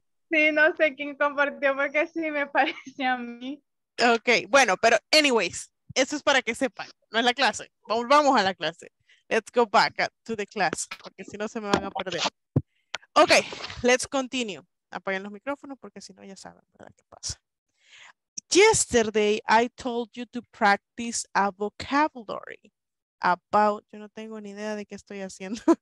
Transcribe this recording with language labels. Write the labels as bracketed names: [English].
[Spanish] Sí, no sé quién compartió porque sí me parece a mí. Ok, bueno, pero anyways, eso es para que sepan, no es la clase. Volvamos a la clase. [English] Let's go back to the class, [Spanish] porque si no se me van a perder. Ok, [English] let's continue. [Spanish] Apaguen los micrófonos porque si no ya saben, ¿verdad? ¿Qué pasa? [English] Yesterday I told you to practice a vocabulary about... [Spanish] Yo no tengo ni idea de qué estoy haciendo.